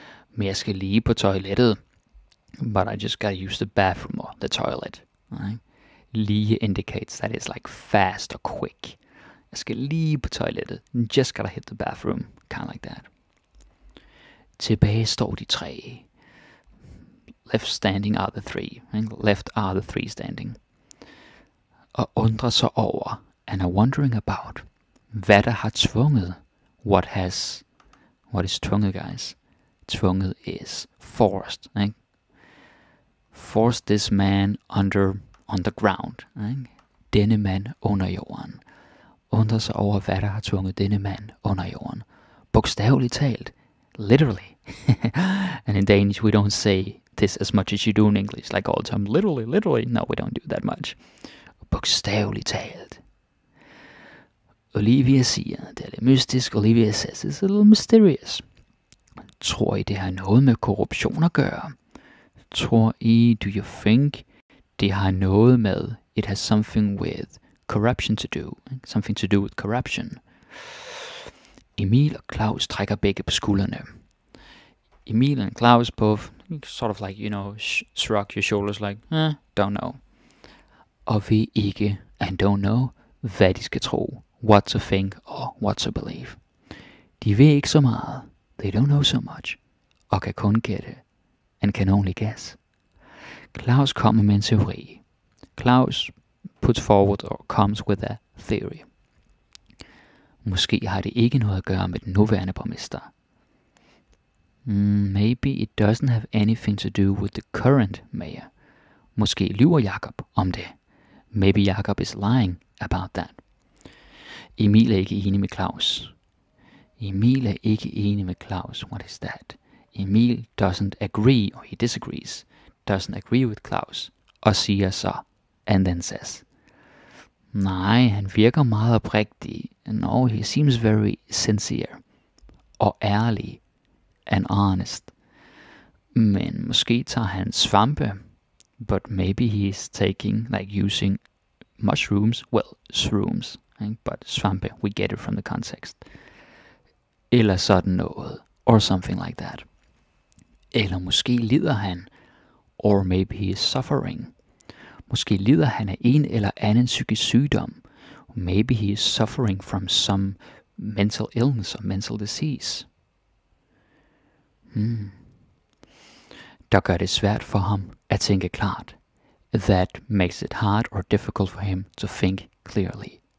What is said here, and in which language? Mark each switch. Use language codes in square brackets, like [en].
[da] Men jeg skal lige på toilettet. [en] But I just gotta use the bathroom or the toilet. Right? Lige indicates that it's like fast or quick. [da] Jeg skal lige på toilettet. [en] Just gotta hit the bathroom. Kind of like that. [da] Tilbage står de tre. [en] Left standing are the three. Right? Left are the three standing. [da] Og undrer sig over, [en] and are wondering about, [da] hvad der har tvunget, [en] what has, what is tvunget, guys? Tvunget is forced, right? Forced this man under, on the ground, right? [da] Denne mand under jorden. Undrer sig over, hvad der har tvunget denne mand under jorden. Bogstaveligt talt, [en] literally. And in Danish, we don't say this as much as you do in English, like all the time, literally, literally. No, we don't do that much. [da] Bogstaveligt talt. Olivia siger, det er lidt mystisk. [en] Olivia says, it's a little mysterious. [da] Tror I, det har noget med korruption at gøre? Tror I, [en] do you think, [da] det har noget med, [en] it has something with corruption to do? Something to do with corruption. [da] Emil og Claus trækker begge på skuldrene. [en] Emil and Claus both sort of like, you know, shrug your shoulders like, eh, don't know. [da] Og ved ikke, [en] and don't know, [da] hvad de skal tro. [en] What to think or what to believe. [da] De ved ikke så meget. [en] They don't know so much. [da] Og kan kun gætte. [en] And can only guess. [da] Claus kommer med en teori. [en] Claus puts forward or comes with a theory. [da] Måske har det ikke noget at gøre med den nuværende borgmester. [en] Maybe it doesn't have anything to do with the current mayor. [da] Måske lyver Jakob om det. [en] Maybe Jakob is lying about that. [da] Emil er ikke enig med Claus. Emil er ikke enig med Claus. [en] What is that? Emil doesn't agree, or he disagrees, doesn't agree with Claus, [da] og siger så, [en] and then says. [da] Nej, han virker meget oprigtig. [en] No, he seems very sincere. [da] Og ærlig. [en] And honest. [da] Men måske tager han svampe. [en] But maybe he is taking, like using mushrooms. Well, shrooms. Right? But svampe, we get it from the context. [da] Eller sådan noget. [en] Or something like that. [da] Eller måske lider han. [en] Or maybe he is suffering. [da] Måske lider han af en eller anden psykisk sygdom. [en] Maybe he is suffering from some mental illness or mental disease. [da] Der gør det svært for ham at tænke klart. [en] That makes it hard or difficult for him to think clearly.